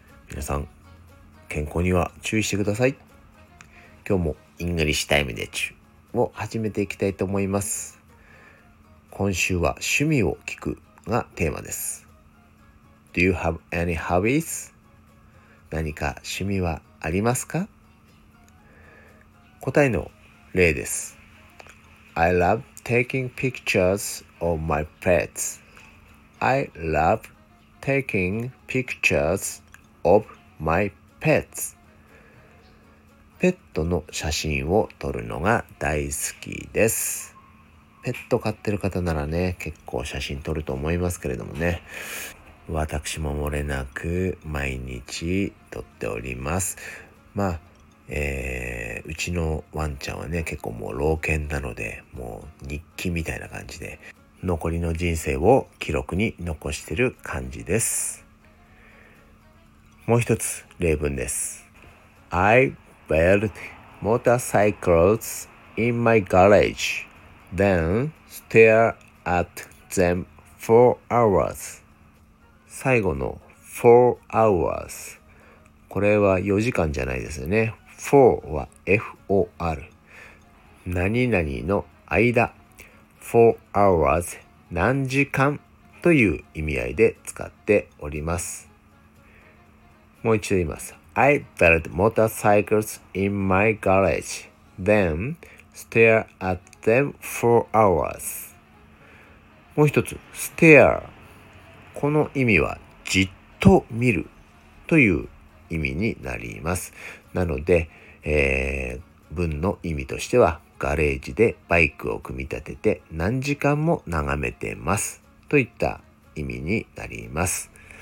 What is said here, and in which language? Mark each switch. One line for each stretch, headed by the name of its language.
Japanese: 皆さん健康には注意してください。今日もイングリッシュタイムでちゅを始めていきたいと思います。今週は趣味を聞くがテーマです。
English: Do you have any hobbies?
Japanese: 何か趣味はありますか？答えの例です。
English: I love taking pictures of my pets. I love taking pictures of my pets.
Japanese: ペットの写真を撮るのが大好きです。ペット飼ってる方ならね、結構写真撮ると思いますけれどもね。私も漏れなく毎日撮っております。まあ、うちのワンちゃんはね、結構もう老犬なので、もう日記みたいな感じで残りの人生を記録に残してる感じです。もう一つ例文です。
English: I built motorcycles in my garage then stare at them for hours。
Japanese: 最後の 4 hours、これは4時間じゃないですよね。 4 は F-O-R、 何々の間、 4 hours、何時間という意味合いで使っております。もう一度言います。
English: I built motorcycles in my garage then stare at them for hours。
Japanese: もう一つ stare、 この意味はじっと見るという意味になります。なので、文の意味としては、ガレージでバイクを組み立てて何時間も眺めてますといった意味になります。